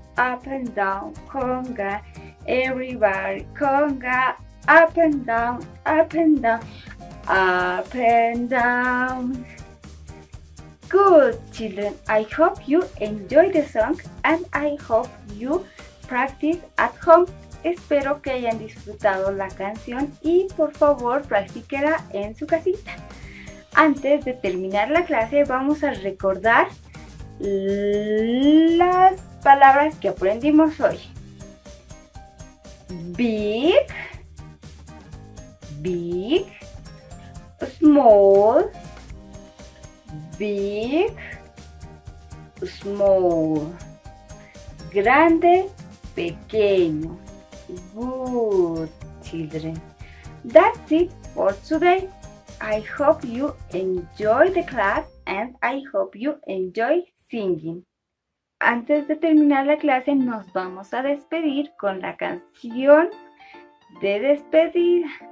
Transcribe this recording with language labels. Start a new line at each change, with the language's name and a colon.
English: Up and down conga, everybody conga. Up and down, up and down, up and down. Good, children. I hope you enjoy the song and I hope you practice at home.
Spanish: Espero que hayan disfrutado la canción y por favor practíquela en su casita. Antes de terminar la clase, vamos a recordar las palabras que aprendimos hoy.
English: Big, big, small. Big, small.
Spanish: Grande, pequeño.
English: Good, children. That's it for today. I hope you enjoy the class and I hope you enjoy singing.
Spanish: Antes de terminar la clase, nos vamos a despedir con la canción de despedida.